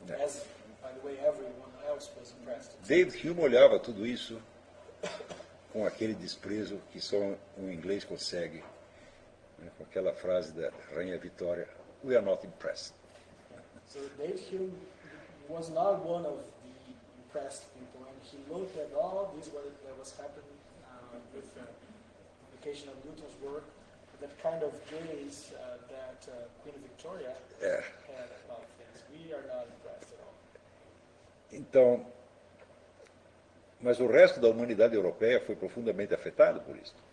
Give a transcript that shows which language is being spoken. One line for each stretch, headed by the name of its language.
English: As, by the way, everyone else was impressed.
Portuguese: David Hume olhava tudo isso com aquele desprezo que só um inglês consegue, né, com aquela frase da Rainha Vitória:
English: "We are not impressed." So David Hume was not one of the impressed people, and he looked at all this what that was happening with the publication of Newton's work, that kind of gaze that Queen Victoria had about things. We are not impressed at all.
Portuguese: Então, mas o resto da humanidade europeia foi profundamente afetado por isso.